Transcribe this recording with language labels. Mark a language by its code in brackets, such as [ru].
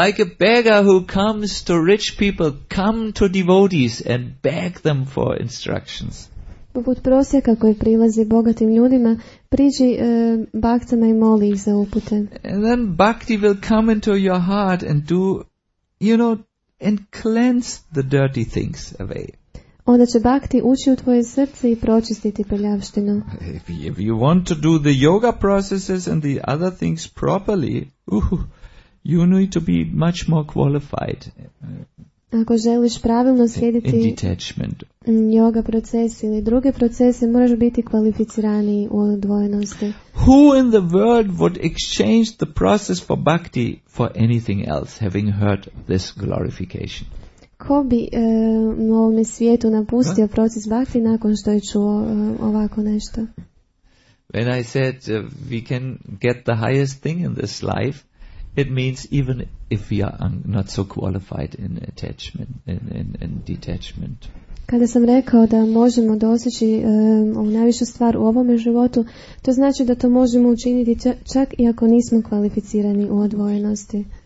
[en] Like a beggar who comes to rich people, come to devotees and beg them for instructions. [hr] Poput prosjeka koji prilazi bogatim ljudima, priđi bhaktama i moli ih za upute. [en] And then bhakti will come into your heart and do, you know, and cleanse the dirty things away. [hr] Onda će bhakti ući u tvoje srce i pročistiti prljavštinu. [en] If you want to do the yoga processes and the other things properly, you need to be much more qualified. [hr] Ako želiš pravilno slijediti yoga proces ili druge procese, moraš biti kvalificiraniji u odvojenosti. [en] Who in the world would exchange the process for bhakti for anything else, having heard this glorification? [hr] Ko bi u ovome svijetu napustio proces bhakti nakon što je čuo ovako nešto? [en] When I said we can get the highest thing in this life, it means even if we are not so qualified in attachment in detachment. [hr] Kada sam rekao da možemo doseći ovu najvišu stvar u ovome životu, to znači da to možemo učiniti čak i ako nismo kvalificirani u odvojenosti.